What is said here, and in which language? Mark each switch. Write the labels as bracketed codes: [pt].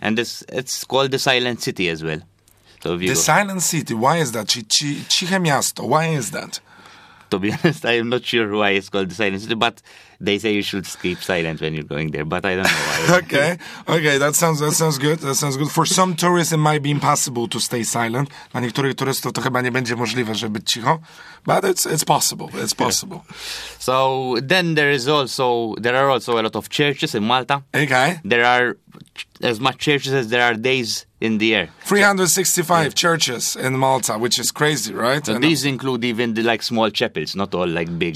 [en] And it's called the Silent City as well. So the Silent City, why is that? [pl] Ciche miasto, [en] why is that? To be honest, I am not sure why it's called the Silent City, but they say you should keep silent when you're going there, but I don't know why. Okay, that sounds good. For some tourists, it might be impossible to stay silent. [pl] Dla niektórych turystów to chyba nie będzie możliwe, żeby być cicho, [en] but it's possible. Yeah. So then there are also a lot of churches in Malta. Okay. There are as much churches as there are days in the year. 365 churches in Malta, which is crazy, right? So these include even the like small chapels, not all like big